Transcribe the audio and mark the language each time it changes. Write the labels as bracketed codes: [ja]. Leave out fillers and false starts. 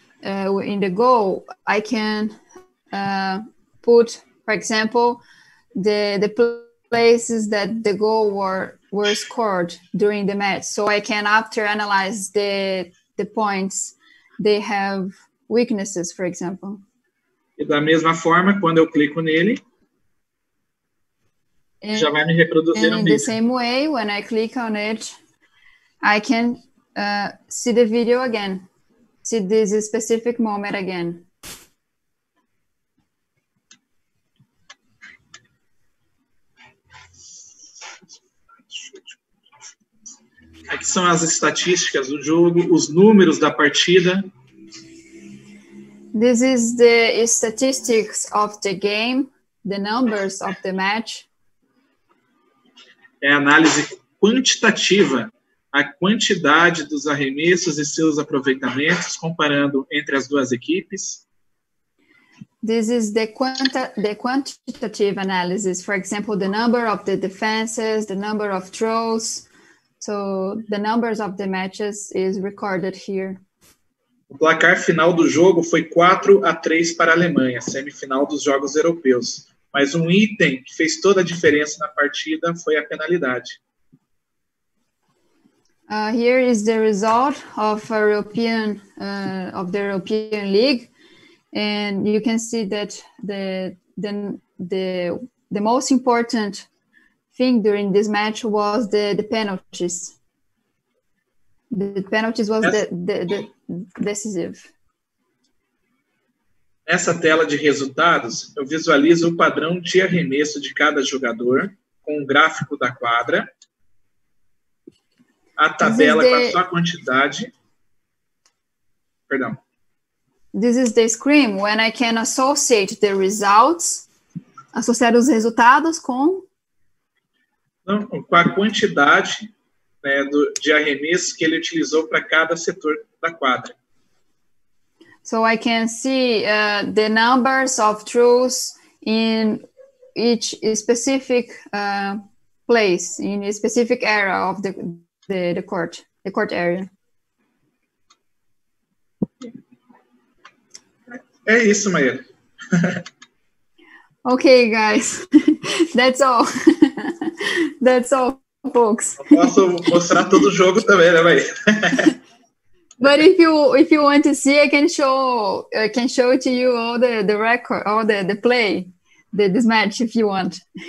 [en] In the goal, I can put, for example, the places that the goal were scored during the match. So I can, after analyze the points, they have weaknesses, for example. [pt] E da mesma forma, quando eu clico nele, [en] and, [pt] já vai me reproduzir um vídeo. [en] In the same way, when I click on it, I can see the video again. See this specific moment again. [pt] Aqui são as estatísticas do jogo, os números da partida. [en] This is the statistics of the game, the numbers of the match. [pt] É análise quantitativa, a quantidade dos arremessos e seus aproveitamentos comparando entre as duas equipes. [en] This is the quantitative analysis, for example, the number of the defenses, the number of throws. So the numbers of the matches is recorded here. [pt] O placar final do jogo foi 4-3 para a Alemanha, semifinal dos Jogos Europeus. Mas um item que fez toda a diferença na partida foi a penalidade. [en] Here is the result of a European of the European League, and you can see that the most important thing during this match was the penalties. The penalties was the decisive. [pt] Nessa tela de resultados, eu visualizo o padrão de arremesso de cada jogador com o gráfico da quadra, a tabela com a sua quantidade. Perdão. [en] This is the screen when I can associate the results, [pt] associar os resultados com com a quantidade, né, de arremessos que ele utilizou para cada setor da quadra. [en] So I can see the numbers of throws in each specific place, in a specific area of the court area. [pt] É isso, Maíra. [en] Okay, guys. That's all. That's all, folks. [pt] Posso mostrar todo o jogo também, né, Maíra? [en] But if you want to see, I can show to you all the record, all the play, this match if you want.